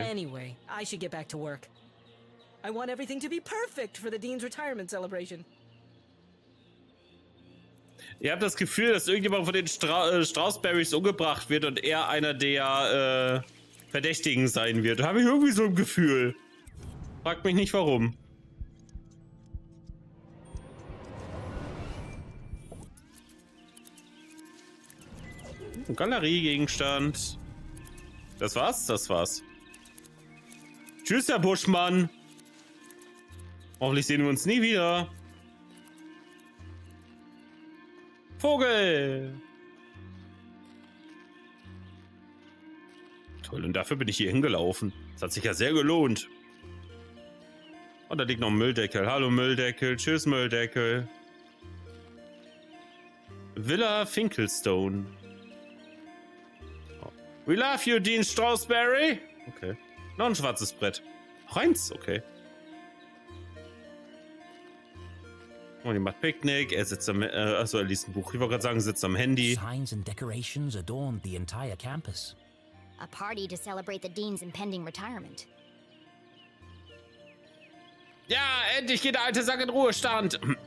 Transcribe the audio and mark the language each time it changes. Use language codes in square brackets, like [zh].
[en] Anyway, I should get back to work. I want everything to be perfect for the Dean's retirement celebration. [de] Ihr habt das Gefühl, dass irgendjemand von den Strausberries umgebracht wird und er einer der Verdächtigen sein wird. Habe ich irgendwie so ein Gefühl. Fragt mich nicht warum. Galeriegegenstand. Das war's. Tschüss, Herr Buschmann. Hoffentlich sehen wir uns nie wieder. Vogel. Toll, und dafür bin ich hier hingelaufen. Das hat sich ja sehr gelohnt. Und da liegt noch ein Mülldeckel. Hallo Mülldeckel, tschüss Mülldeckel. Villa Finkelstone. Oh. [en] We love you, Dean Strawsberry. Okay. [de] Noch ein schwarzes Brett. Reins, okay. Und die macht Picknick. Er sitzt am... Achso, er liest ein Buch. Ich wollte gerade sagen, sitzt am Handy. [en] Signs and decorations adorned the entire campus. A party to celebrate the Dean's impending retirement. [de] Ja, endlich geht der alte Sack in Ruhestand.